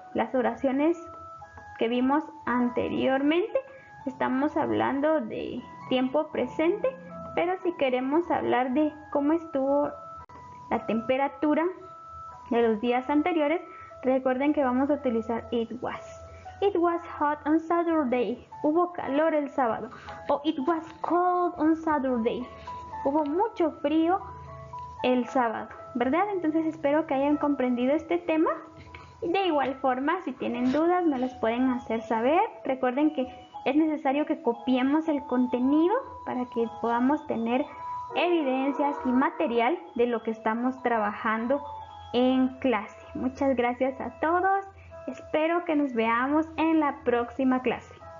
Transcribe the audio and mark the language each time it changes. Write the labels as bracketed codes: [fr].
[es] Las oraciones que vimos anteriormente, estamos hablando de tiempo presente, pero si queremos hablar de cómo estuvo la temperatura de los días anteriores, recuerden que vamos a utilizar [en] it was. It was hot on Saturday, [es] hubo calor el sábado. O [en] it was cold on Saturday, [es] hubo mucho frío el sábado, ¿verdad? Entonces espero que hayan comprendido este tema. De igual forma, si tienen dudas, me las pueden hacer saber. Recuerden que es necesario que copiemos el contenido para que podamos tener evidencias y material de lo que estamos trabajando en clase. Muchas gracias a todos. Espero que nos veamos en la próxima clase.